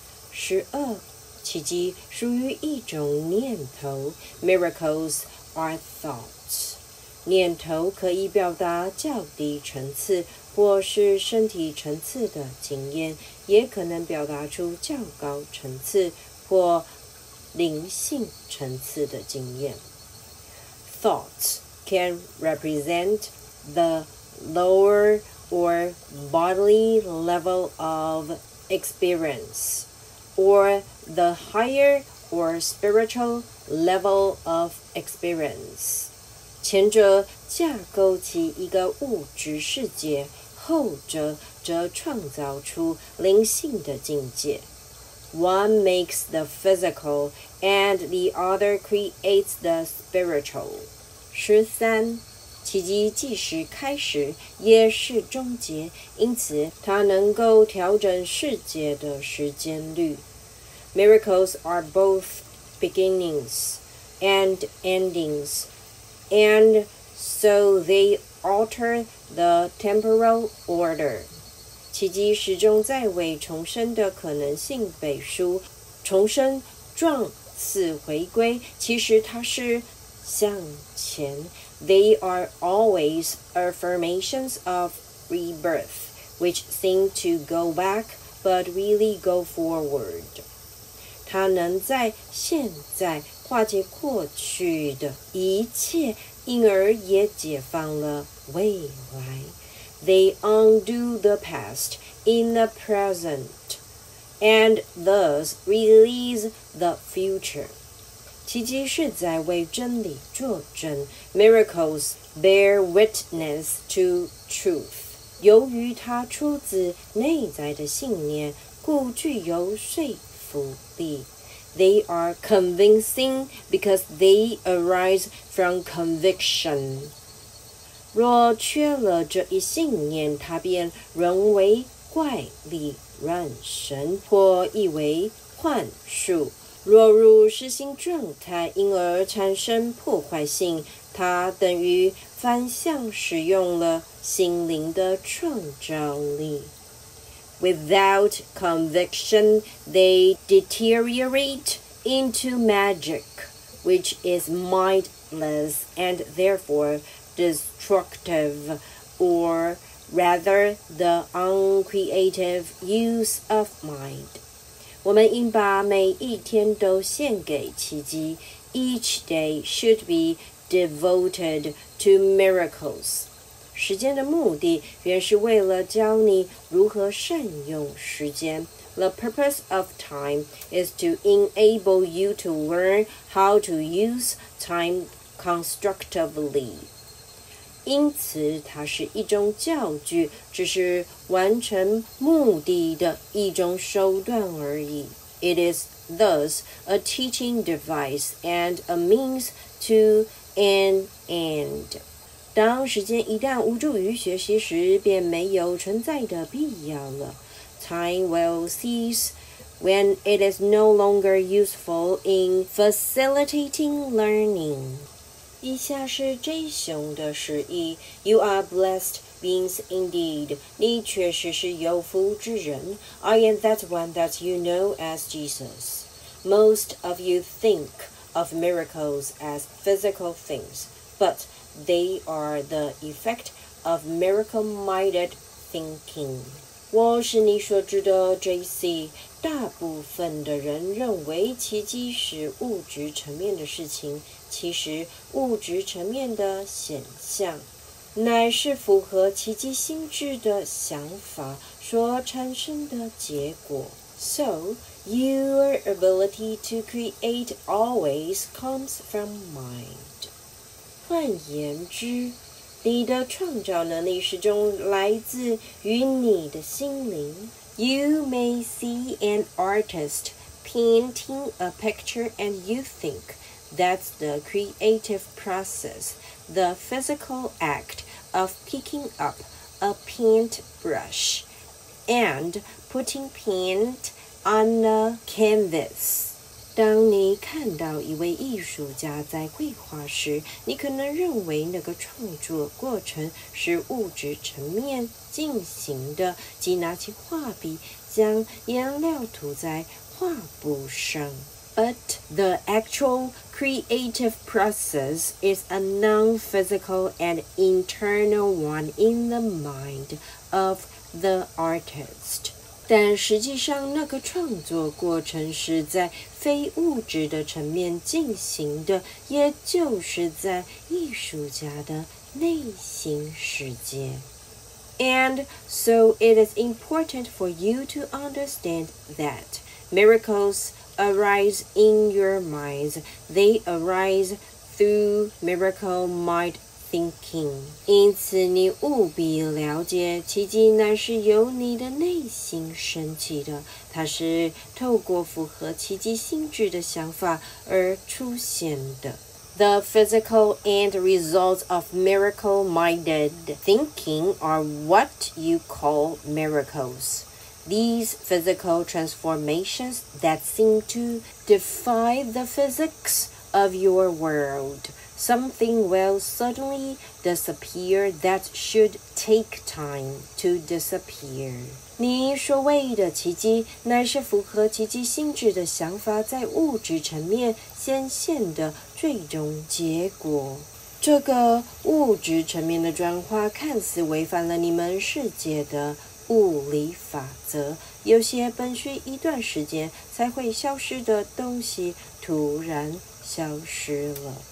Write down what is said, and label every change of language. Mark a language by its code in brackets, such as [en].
[zh] 十二，奇迹属于一种念头 ， [en] miracles are thoughts。 [zh] 念头可以表达较低层次或是身体层次的经验，也可能表达出较高层次或灵性层次的经验。 [en] Thoughts can represent the lower or bodily level of experience, or the higher or spiritual level of experience. [zh] 前者架构起一个物质世界，后者则创造出灵性的境界。 [en] One makes the physical, and the other creates the spiritual. [zh] 十三，奇迹既是开始，也是终结，因此它能够调整世界的时间率。 [en] Miracles are both beginnings and endings, and so they alter the temporal order. [zh] 奇迹始终在为重生的可能性背书，重生状似回归，其实它是向前。 [en] They are always affirmations of rebirth, which seem to go back, but really go forward. [zh] 它能在现在化解过去的一切，因而也解放了未来。 [en] They undo the past in the present, and thus release the future. [zh] 奇迹是在为真理作证。 [en] Miracles bear witness to truth. [zh] 由于它出自内在的信念，故具有说服力。 [en] They are convincing because they arise from conviction. [zh] 若缺了这一信念，它便沦为怪力乱神，或意为幻术。若入失心状态，因而产生破坏性，它等于反向使用了心灵的创造力。 [en] Without conviction, they deteriorate into magic, which is mindless and therefore. Destructive, or rather the uncreative use of mind. [zh] 我们应把每一天都献给奇迹。 [en] Each day should be devoted to miracles. [zh] 时间的目的原是为了教你如何善用时间。 [en] The purpose of time is to enable you to learn how to use time constructively. [zh] 因此它是一种教具，只是完成目的的一种手段而已。 [en] It is thus a teaching device and a means to an end. [zh] 当时间一旦无助于学习时，便没有存在的必要了。 [en] Time will cease when it is no longer useful in facilitating learning. [zh] 以下是这一熊的释义 [en] You are blessed beings indeed. [zh] 你确实是有福之人 [en] I am that one that you know as Jesus. Most of you think of miracles as physical things, but they are the effect of miracle-minded thinking. [zh] 我是你所知的 JC. 大部分的人认为奇迹是物质层面的事情。其实物质层面的显象乃是符合奇迹心智的想法所产生的结果。 [en] So, your ability to create always comes from mind. [zh] 换言之，你的创造能力始终来自于你的心灵。 [en] You may see an artist painting a picture and you thinkThat's the creative process, the physical act of picking up a paint brush and putting paint on a canvas. [zh] 当你看到一位艺术家在绘画时，你可能认为那个创作过程是物质层面进行的，即拿起画笔，将颜料涂在画布上。 [en] But the actual creative process is a non-physical and internal one in the mind of the artist. [zh] 但实际上那个创作过程是在非物质的层面进行的，也就是在艺术家的内心世界。 [en] And so it is important for you to understand that miraclesarise in your minds. They arise through miracle mind thinking. [zh] 因此你务必了解，奇迹乃是由你的内心升起的，它是透过符合奇迹心智的想法而出现的。 [en] The physical and results of miracle-minded thinking are what you call miracles. These physical transformations that seem to defy the physics of your world. Something will suddenly disappear that should take time to disappear. [zh] 你所谓的奇迹乃是符合奇迹心智的想法在物质层面显现的最终结果。这个物质层面的转化看似违反了你们世界的物理法则，有些本需一段时间才会消失的东西突然消失了。